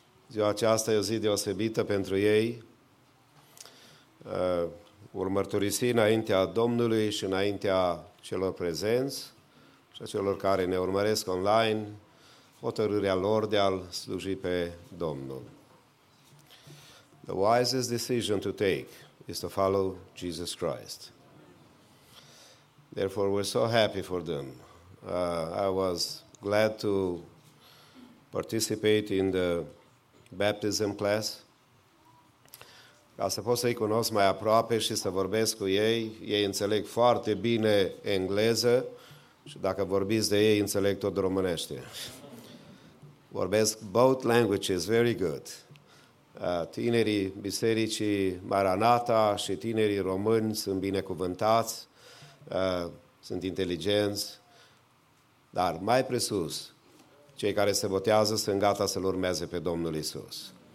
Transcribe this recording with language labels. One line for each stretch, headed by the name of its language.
Romanian: Ziua aceasta e o zi deosebită pentru ei. Vor mărturisi înaintea Domnului și înaintea celor prezenți și a celor care ne urmăresc online hotărârea lor de a-L sluji pe Domnul.
English: The wisest decision to take is to follow Jesus Christ. Therefore, we're so happy for them. I was glad to participate in the baptism class.
Romanian: Ca să pot să-i cunosc mai aproape și să vorbesc cu ei, ei înțeleg foarte bine engleză și dacă vorbiți de ei, înțeleg tot românește. Vorbesc
English: both languages very good.
Romanian: Tinerii bisericii Maranata și tinerii români sunt binecuvântați, sunt inteligenți, dar mai presus, cei care se botează sunt gata să-L urmeze pe Domnul Iisus.